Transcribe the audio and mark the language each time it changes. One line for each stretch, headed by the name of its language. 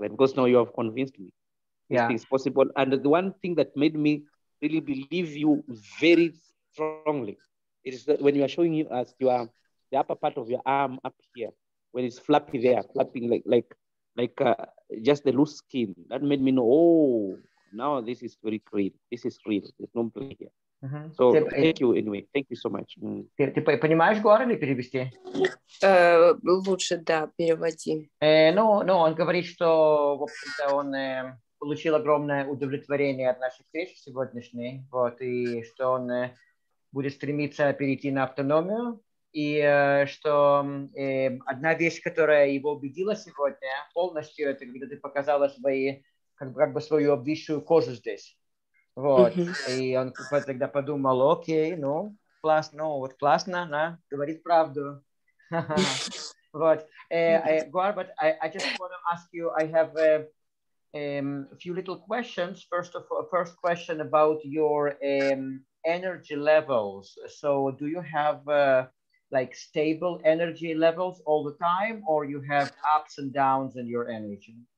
English: Because now you have convinced me this is possible. And the one thing that made me really believe you very strongly is that when you are showing you as you are the upper part of your arm up here, when it's flappy there, flapping like just the loose skin, that made me know, oh, now this is very real. This is real. There's no play here. Uh-huh. So thank you anyway. Thank you so much.
Russian: Ты понимаешь Гуар или перевести? Лучше, да, переводи. Ну, он говорит, что, в общем-то, он получил огромное удовлетворение от нашей встречи сегодняшней, вот, и что он будет стремиться перейти на автономию, и что одна вещь, которая его убедила сегодня полностью, это когда ты показала свои, как бы свою обвисшую кожу здесь. Вот. Mm-hmm. И он тогда подумал, окей, ну, классно, ну, вот классно, она говорит правду. Вот.
English: Goar, but I just want to ask you, I have a few little questions. First of all, first question about your energy levels. So do you have like stable energy levels all the time, or you have ups and downs in your energy?